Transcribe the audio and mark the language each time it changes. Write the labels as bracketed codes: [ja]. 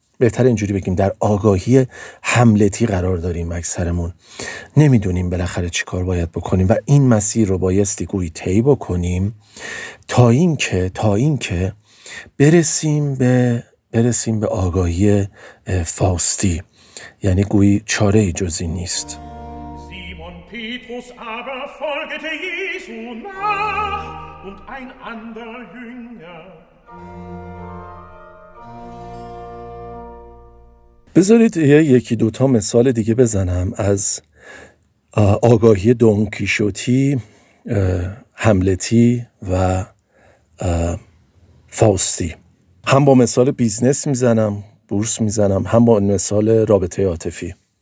[fa] بهتر اینجوری بگیم در آگاهی هملتی قرار داریم اکثرمون، نمیدونیم بالاخره چی کار باید بکنیم و این مسیر رو بایستی گویی طی بکنیم تا اینکه برسیم به آگاهی فاستی، یعنی گویی چاره ای جز این نیست. [de] Petrus aber folgete Jesu nach und ein anderer Jünger. [fa] بذارید یکی دوتا مثال دیگه بزنم از آگاهی دون کیشوتی، هملتی و فاوستی. هم با مثال بیزنس میزنم، بورس میزنم، هم با مثال رابطه عاطفی.